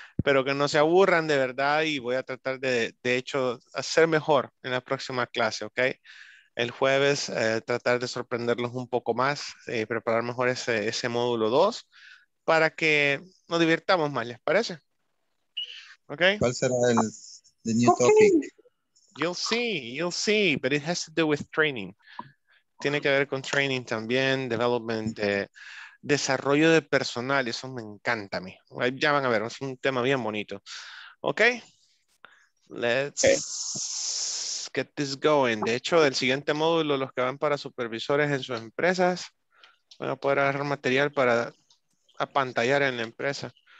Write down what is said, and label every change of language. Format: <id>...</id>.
<es>Pero que no se aburran de verdad, y voy a tratar de hecho, hacer mejor en la próxima clase, okay? El jueves, tratar de sorprenderlos un poco más, preparar mejor ese módulo 2, para que nos divirtamos más, ¿les parece?</es> <en>Okay.</en> <es>¿Cuál será el</es> <en>new topic? You'll see, but it has to do with training.</en> <es>Tiene que ver con training también, development, desarrollo de personal, eso me encanta a mí. Ya van a ver, es un tema bien bonito.</es> <en>Okay. Let's get this going.</en> <es>De hecho, del siguiente módulo, los que van para supervisores en sus empresas, van a poder agarrar material para apantallar en la empresa.</es>